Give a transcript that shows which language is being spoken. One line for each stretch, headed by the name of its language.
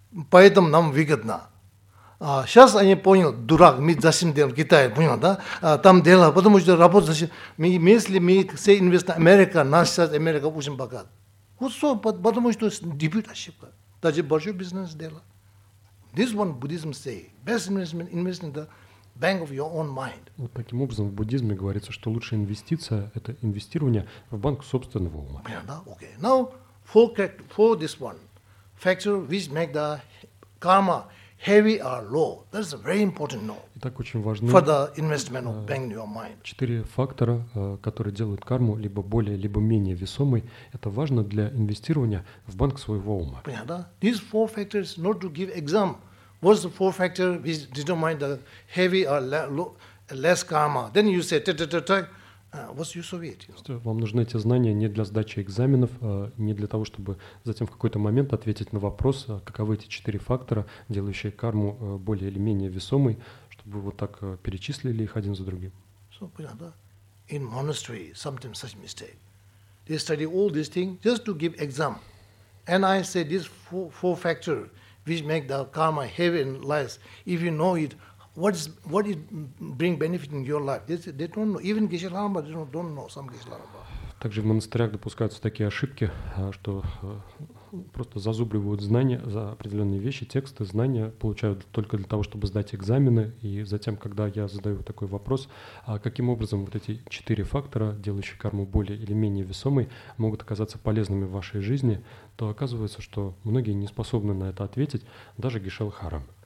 Russian: Поэтому нам выгодно. Сейчас они поняли, дурак, мы зачем делаем в Китае, понял, да? Там дело, потому что работа зачем. Если мы все инвестируем в Америку, нас сейчас Америка очень богат. Вот что, потому что дебют ошибка. Даже большой бизнес дело.
English: This one Buddhism say, best investment, invest in the bank of your own mind.
Russian: Вот таким образом в буддизме говорится, что лучшая инвестиция – это инвестирование в банк собственного ума. Понял, да?
English: Okay. Now, for this one. Factor which make the karma heavy or low. That's a very important note.
Russian: Итак, очень важны
English: for the investment of bank your mind.
Russian: Четыре фактора, которые делают карму либо более, либо менее весомой. Это важно для инвестирования в банк своего ума. Понятно, да?
English: These four factors not to give exam. What's the four factor which determine the heavy or less karma? Then you say what's use of it, you know?
Russian: Вам нужны эти знания не для сдачи экзаменов, не для того, чтобы затем в какой-то момент ответить на вопрос, каковы эти четыре фактора, делающие карму более или менее весомой, чтобы вот так перечислили их один за другим.
English: So,
Russian: понятно, да?
English: In monastery, sometimes such mistake. They study all these things just to give exam. And I say these four factors which make the karma heavy and less, if you know it, what it bring benefit in your life? They don't know. Even Geshe Larampa don't know some Geshe Larampa.
Russian: Также в монастырях допускаются такие ошибки, что просто зазубривают знания за определенные вещи, тексты, знания получают только для того, чтобы сдать экзамены. И затем, когда я задаю такой вопрос, а каким образом вот эти четыре фактора, делающие карму более или менее весомой, могут оказаться полезными в вашей жизни, то оказывается, что многие не способны на это ответить, даже Гишел Харам.